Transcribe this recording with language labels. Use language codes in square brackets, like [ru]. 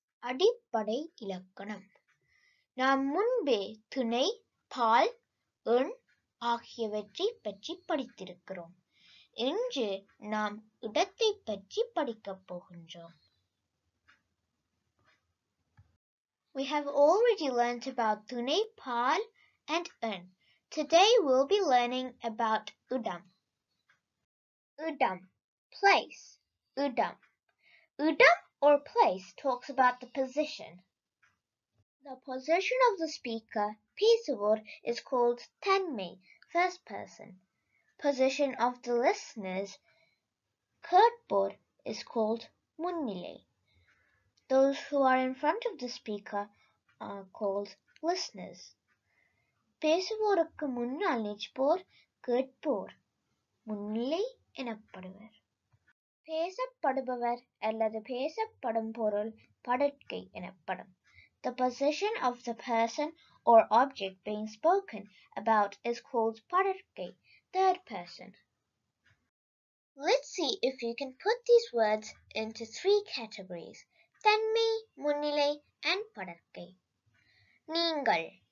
[ta] அடிப்படை இலக்கணம். நாம் முன்பே துணை, பால், எண் ஆகியவற்றை பற்றி படித்திருக்கிறோம். இன்று நாம் இடத்தை பற்றி படிக்கப் போகின்றோம். [en] We have already learnt about துணை, பால் and எண். Today we'll be learning about இடம். இடம், place. இடம். இடம் or place talks about the position. The position of the speaker, பேசுவோர், is called தன்மை, first person. Position of the listeners, கேட்போர், is called முன்னிலை. Those who are in front of the speaker are called listeners. [ta] பேசுவோருக்கு முன்னால் நிற்போர் கேட்போர் முன்னிலை எனப்படுவர். பேசப்படுபவர் அல்லது பேசப்படும் பொருள் படற்கை எனப்படும். [en] The position of the person or object being spoken about is called படற்கை, third person. Let's see if you can put these words into three categories, தன்மை, முன்னிலை and படற்கை. நீங்கள்.